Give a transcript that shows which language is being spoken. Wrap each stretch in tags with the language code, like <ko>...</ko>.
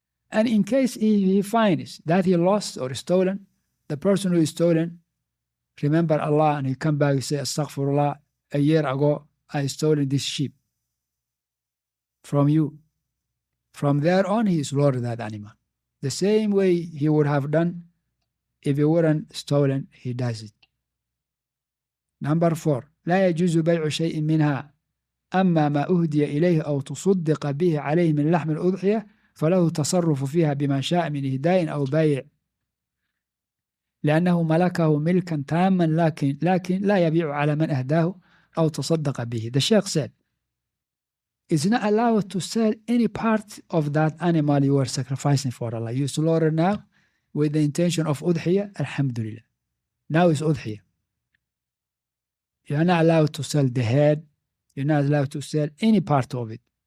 <en>And in case he finds that he lost or stolen, the person who is stolen, remember Allah, and he come back and say, Astaghfirullah, a year ago, I stolen this sheep from you. From there on, he slaughtered that animal. The same way he would have done if it weren't stolen, he does it. Number four,</en> <ar>لا يجوز بيع شيء منها أما ما أهدي إليه أو تصدق به عليه من لحم الأضحية فله تصرف فيها بما شاء من إهداء أو بيع لأنه ملكه ملكا تاما لكن لا يبيع على من أهداه أو تصدق به.</ar> <en>The Sheikh said, it's not allowed to sell any part of that animal you are sacrificing for Allah. You slaughter now with the intention of udhiya, alhamdulillah. Now it's udhiya. You are not allowed to sell the head. You're not allowed to sell any part of it.</en>